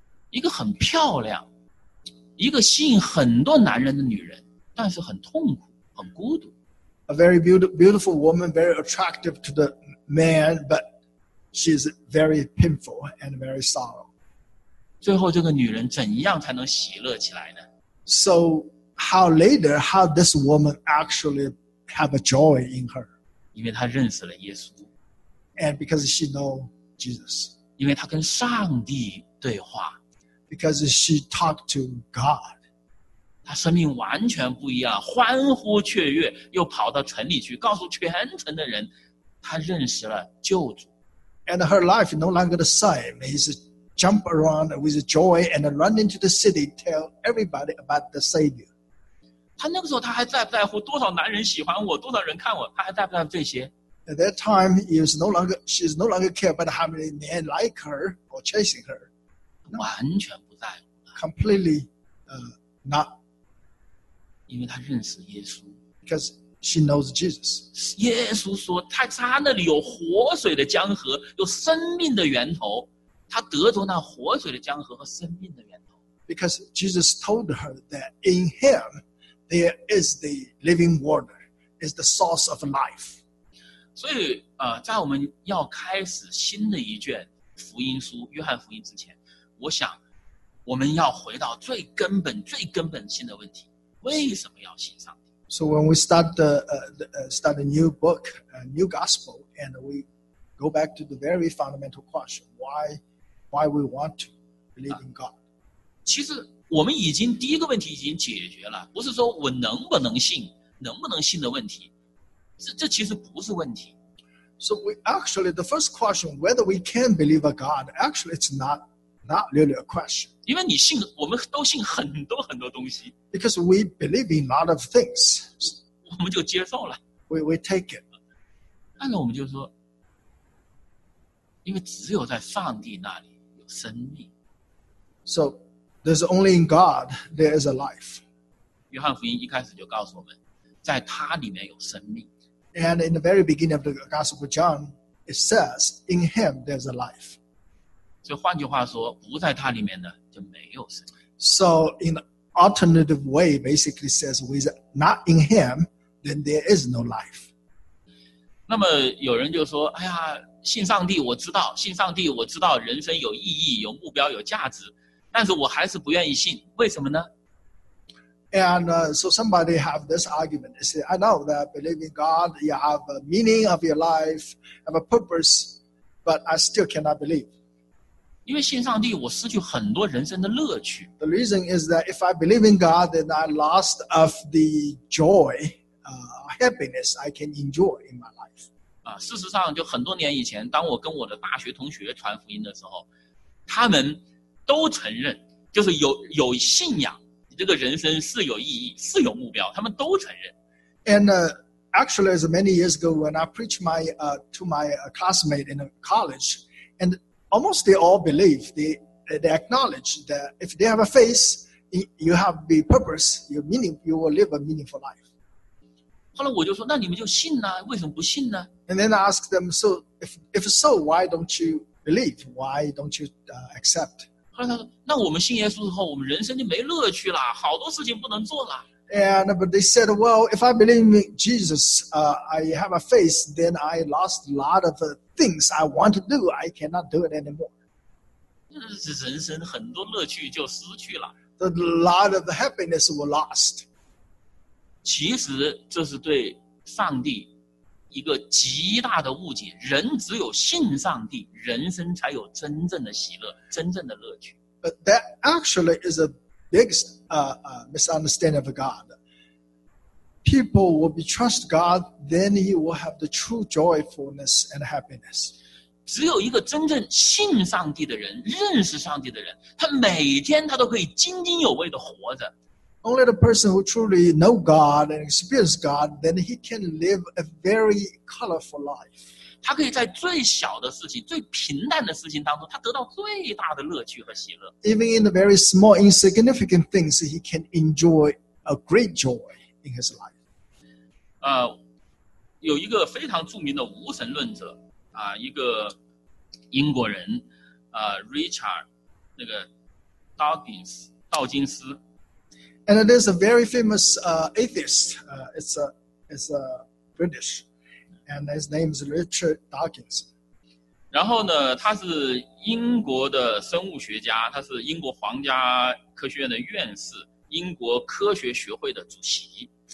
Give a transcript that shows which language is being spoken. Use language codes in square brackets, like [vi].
[zh] 一个很漂亮，一个吸引很多男人的女人，但是很痛苦，很孤独。 [en] A very beautiful woman, very attractive to the man, but she is very painful and very sorrow. [zh] 最后这个女人怎样才能喜乐起来呢？ [en] So, how this woman actually have a joy in her? [zh] 因为她认识了耶稣。 [en] And because she know Jesus. [zh] 因为她跟上帝对话。 [en] Because she talked to God. [zh] 她生命完全不一样，欢呼雀跃，又跑到城里去，告诉全城的人，她认识了救主。 [en] And her life no longer the same. Jump around with joy and run into the city, tell everybody about the Savior. [zh] 他那个时候他还在不在乎多少男人喜欢我，多少人看我，他还在不在乎这些？ [en] At that time, she is no longer care about how many men like her or chasing her. [zh] 完全不在乎。 [en] Completely, not. [zh] 因为他认识耶稣。 [en] Because she knows Jesus. [zh] 耶稣说，他那里有活水的江河，有生命的源头。他得着那活水的江河和生命的源头。 [en] Because Jesus told her that in him there is the living water, is the source of life. [zh] 所以在我们要开始新的一卷福音书约翰福音之前，我想我们要回到最根本最根本性的问题，为什么要信上帝？ [en] So when we start start a new book, a new gospel, and we go back to the very fundamental question, why we want to believe in God. [zh] 其实我们已经第一个问题已经解决了，不是说我能不能信的问题，这其实不是问题。 [en] So we actually, the first question, whether we can believe a God, actually it's not really a question. [zh] 因为你信，我们都信很多很多东西。 [en] Because we believe in a lot of things. [zh] 我们就接受了。 [en] We take it. [zh] 但是我们就说，因为只有在上帝那里有生命。 [en] So there's only in God there is a life. [zh] 约翰福音一开始就告诉我们，在他里面有生命。 [en] And in the very beginning of the Gospel of John, it says, in him there's a life. [zh] 所以换句话说，不在他里面的就没有生命。 [en] So in an alternative way, basically says, with not in him, then there is no life. [zh] 那么有人就说，哎呀，信上帝我知道，信上帝我知道人生有意义，有目标，有价值，但是我还是不愿意信，为什么呢？ [en] And so somebody have this argument. They say, I know that believing God, you have a meaning of your life, have a purpose, but I still cannot believe. [zh] 因为信上帝，我失去很多人生的乐趣。 [en] The reason is that if I believe in God, then I lost of the joy, happiness I can enjoy in my life. [zh] 事实上，就很多年以前，当我跟我的大学同学传福音的时候，他们都承认，就是有信仰。这个人生是有意义，是有目标，他们都承认。 [en] And actually, as many years ago, when I preached my to my classmate in college, and almost they all believe, they acknowledge that if they have a faith, you have the purpose, your meaning, you will live a meaningful life. [zh] 后来我就说，那你们就信呢？为什么不信呢？ [en] And then I ask them, so if so, why don't you believe? Why don't you accept? [zh] 后来他说，那我们信耶稣之后，我们人生就没乐趣了，好多事情不能做了。 [en] And but they said, well, if I believe in Jesus, I have a faith, then I lost a lot of things I want to do. I cannot do it anymore. [zh] 人生很多乐趣就失去了。 [en] A lot of the happiness were lost. [zh] 其实这是对上帝一个极大的误解，人只有信上帝，人生才有真正的喜乐，真正的乐趣。 [en] But that actually is a biggest misunderstanding of God. People will be trust God, then you will have the true joyfulness and happiness. [zh] 只有一个真正信上帝的人，认识上帝的人，他每天他都可以津津有味地活着。 [en] Only the person who truly know God and experience God, then he can live a very colorful life. [zh] 他可以在最小的事情、最平淡的事情当中，他得到最大的乐趣和喜乐。 [en] Even in the very small, insignificant things, he can enjoy a great joy in his life. [zh] 有一个非常著名的无神论者啊，一个英国人，Richard 那个 Dawkins 道金斯。 [en] And it is a very famous atheist. It's a British, and his name is Richard Dawkins. [zh] 然后呢，他是英国的生物学家，他是英国皇家科学院的院士，英国科学学会的主席。